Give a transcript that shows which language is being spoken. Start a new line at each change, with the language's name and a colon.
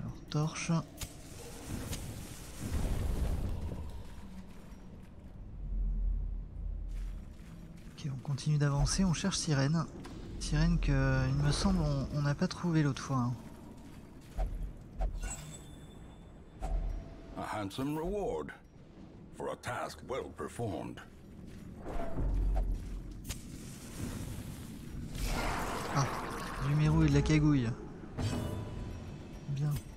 French: Torche. Ok, on continue d'avancer, on cherche Sirène. Sirène que il me semble on n'a pas trouvé l'autre fois.
English: A handsome reward for a task well performed.
French: Ah, du mérou et de la cagouille. Bien.